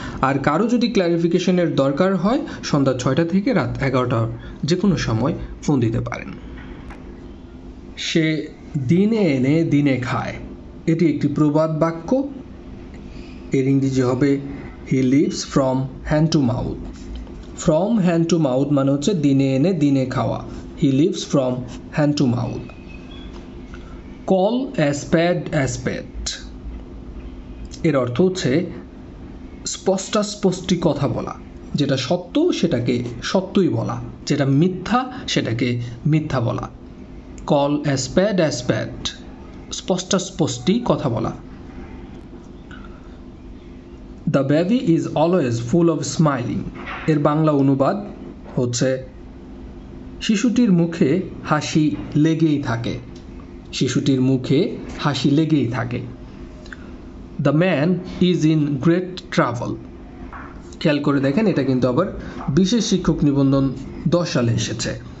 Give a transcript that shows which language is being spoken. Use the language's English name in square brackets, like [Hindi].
[Bangla] আর কারো যদি ক্ল্যারিফিকেশনের দরকার হয়, সন্ধ্যা 6টা থেকে রাত 11টার যে কোনো সময় ফোন দিতে পারেন। সে দিনে এনে দিনে খায়, এটি একটি প্রবাদ বাক্য। এর ইংরেজি হবে [English] He lives from hand to mouth. From hand to mouth [Bangla] মানে হচ্ছে দিনে এনে দিনে খাওয়া। [English] He lives from hand to mouth. Call a spade a spade. [Bangla] এর অর্থ হচ্ছে স্পষ্টাস্পষ্টি কথা বলা, যেটা সত্য সেটাকে সত্যই বলা, যেটা মিথ্যা সেটাকে মিথ্যা বলা। [English] Call a spade a spade. [Bangla] স্পষ্টাস্পষ্টি কথা বলা। [English] The baby is always full of smiling. [Bangla] এর বাংলা অনুবাদ হচ্ছে শিশুটির মুখে হাসি লেগেই থাকে, শিশুটির মুখে হাসি লেগেই থাকে। [English] the man is in great travel, [Bangla] খেয়াল করে দেখেন এটা কিন্তু আবার বিশেষ শিক্ষক নিবন্ধন 10 সালে এসেছে।